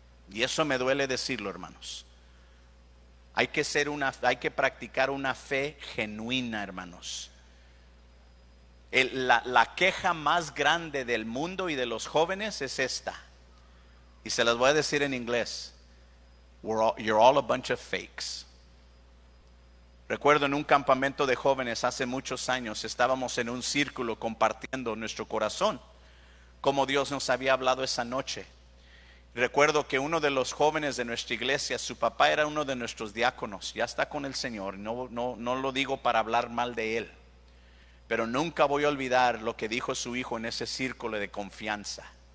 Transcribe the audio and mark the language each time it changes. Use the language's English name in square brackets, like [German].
[Spanish] Y eso me duele decirlo, hermanos. Hay que practicar una fe genuina, hermanos. La queja más grande del mundo y de los jóvenes es esta. Y se las voy a decir en inglés. [English] You're all a bunch of fakes. [Spanish] Recuerdo en un campamento de jóvenes hace muchos años, estábamos en un círculo compartiendo nuestro corazón, como Dios nos había hablado esa noche. Recuerdo que uno de los jóvenes de nuestra iglesia, su papá era uno de nuestros diáconos, ya está con el Señor, no lo digo para hablar mal de él, pero nunca voy a olvidar lo que dijo su hijo en ese círculo de confianza.